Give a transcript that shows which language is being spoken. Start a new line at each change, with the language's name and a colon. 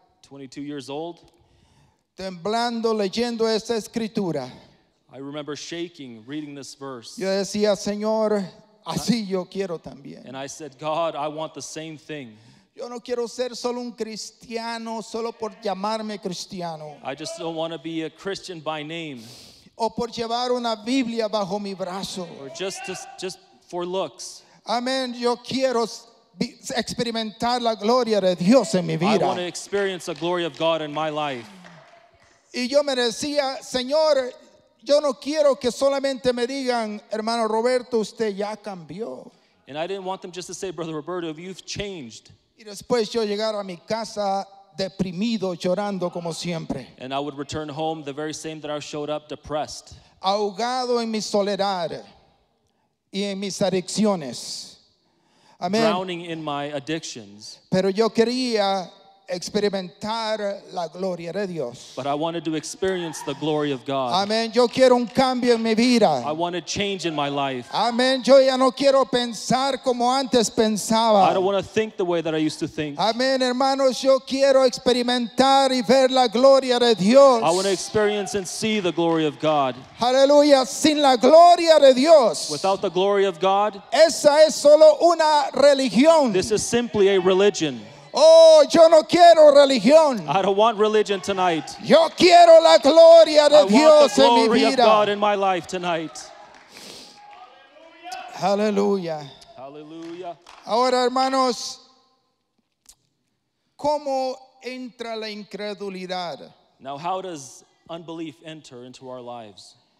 English: 22 years old,
Spanish: temblando leyendo esta escritura,
English: I remember shaking reading this verse.
Spanish: Yo decía, Señor, así yo quiero también.
English: And I said, God, I want the same thing.
Spanish: Yo no quiero ser solo un cristiano solo por llamarme cristiano.
English: I just don't want to be a Christian by name.
Spanish: O por llevar una Biblia bajo mi brazo.
English: Or just for looks. Amen.
Spanish: Yo quiero experimentar la gloria de Dios en mi vida.
English: I want to experience the glory of God in my life.
Spanish: Y yo me decía, Señor, yo no quiero que solamente me digan, hermano Roberto, usted ya cambió.
English: And I didn't want them just to say, Brother Roberto, you've changed.
Spanish: Y después yo llegara a mi casa deprimido, llorando como siempre.
English: And I would return home the very same that I showed up, depressed.
Spanish: Ahogado en mi soledad y en mis adicciones.
English: Amen. Drowning in my addictions.
Spanish: Pero yo quería experimentar la gloria de Dios.
English: But I wanted to experience the glory of God.
Spanish: Amen. Yo quiero un cambio en mi vida.
English: I want a change in my life. Amen.
Spanish: Yo ya no quiero pensar como antes pensaba.
English: I don't want to think the way that I used to think.
Spanish: Amen, hermanos, yo quiero experimentar y ver la gloria de Dios.
English: I want to experience and see the glory of God.
Spanish: Hallelujah. Sin la gloria de Dios.
English: Without the glory of God.
Spanish: Esa es solo una religión.
English: This is simply a religion.
Spanish: Oh, yo no quiero religión.
English: I don't want religion tonight.
Spanish: Yo quiero la gloria de Dios en mi vida.
English: I want the glory of God in my life tonight. Hallelujah. Hallelujah.
Spanish: Ahora, hermanos, ¿cómo entra la incredulidad?
English: Now, how does unbelief enter into our lives?